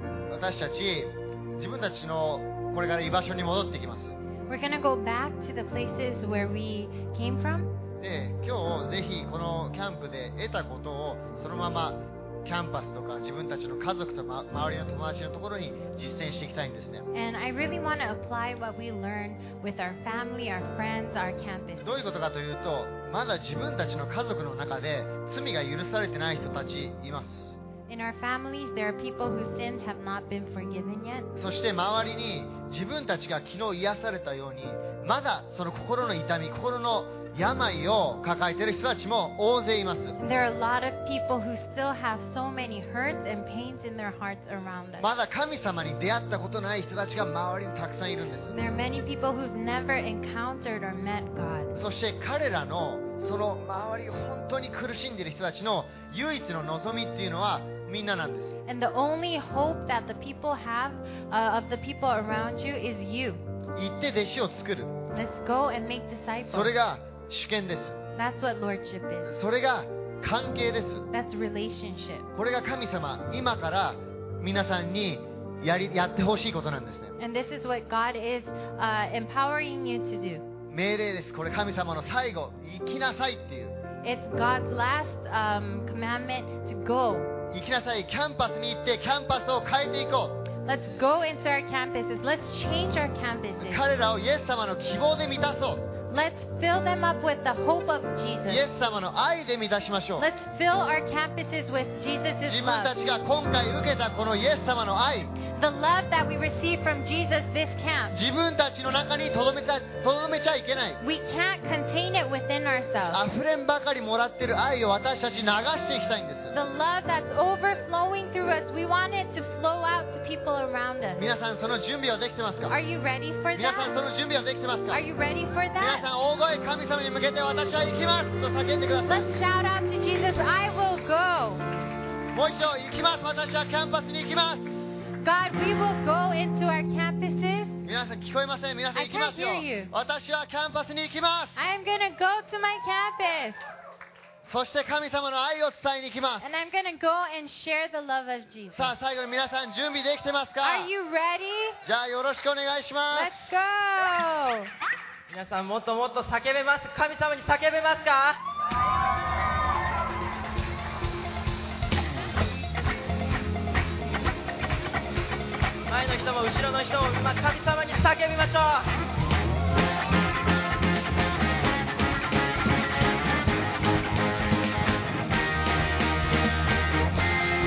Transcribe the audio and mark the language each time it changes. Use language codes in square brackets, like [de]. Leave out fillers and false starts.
[ja] 私たち自分たちのこれから居場所に戻ってきます。 [en] We're gonna go back to the places where we came from. [ja] で、今日ぜひこのキャンプで得たことをそのままキャンパスとか自分たちの家族と、周りの友達のところに実践していきたいんですね。 [en] And I really want to apply what we learn with our family, our friends, our campus. [ja] どういうことかというと、まだ自分たちの家族の中で罪が許されてない人たちいます。 [en] In our families, there are people whose sins have not been forgiven yet. [ja] そして周りに自分たちが昨日癒されたように、まだその心の痛み、心の病を抱えている人たちも大勢います。 [en] There are a lot of people who still have so many hurts and pains in their hearts around us. [ja] まだ神様に出会ったことない人たちが周りにたくさんいるんです。 [en] There are many people who've never encountered or met God. [ja] そして彼らのその周りを本当に苦しんでいる人たちの唯一の望みっていうのはみんななんです。 [en] And the only hope that the people have, of the people around you is you. [ja] 行って弟子を作る。 [en] Let's go and make disciples. [ja] それが主権です。 [en] That's what lordship is. [ja] それが関係です。 [en] That's relationship. [ja] これが神様、今から皆さんにやってほしいことなんですね。 [en] And this is what God is, empowering you to do. [ja] 命令です。これ神様の最後、行きなさいっていう。 [en] It's God's last, commandment to go. [ja] 行きなさい。キャンパスに行って、キャンパスを変えていこう。 [en] Let's go into our campuses. Let's change our campuses. [ja] 彼らをイエス様の希望で満たそう。 [en] Let's fill them up with the hope of Jesus. [ja] イエス様の愛で満たしましょう。 [en] Let's fill our campuses with Jesus' love. [ja] 自分たちが今回受けたこのイエス様の愛。 [en] The love that we receive from Jesus this camp. [ja] 自分たちの中に留めちゃいけない。 [en] We can't contain it within ourselves. [ja] 溢れんばかりもらってる愛を私たち流していきたいんです。 [en] The love that's overflowing through us, we want it to flow out to people around us. [ja] 皆さんその準備はできてますか？ [en] Are you ready for that? [ja] 皆さんその準備はできてますか？ [en] Are you ready for that? [ja] 皆さん大声神様に向けて私は行きますと叫んでください。 [en] Let's shout out to Jesus, I will go. [ja] もう一度行きます。私はキャンパスに行きます。 [en] God, we will go into our campuses. [ja] 皆さん聞こえません。皆さん行きますよ。 [en] I can't hear you. [ja] 私はキャンパスに行きます。 [en] I'm gonna go to my campus. [ja] そして神様の愛を伝えに行きます。 [en] And I'm gonna go and share the love of Jesus. [ja] さあ最後に皆さん準備できてますか？ [en] Are you ready? [ja] じゃあよろしくお願いします。 [en] Let's go. [ja] 皆さんもっともっと叫べます。神様に叫べますか？前の人も後ろの人も今神様に叫びましょう。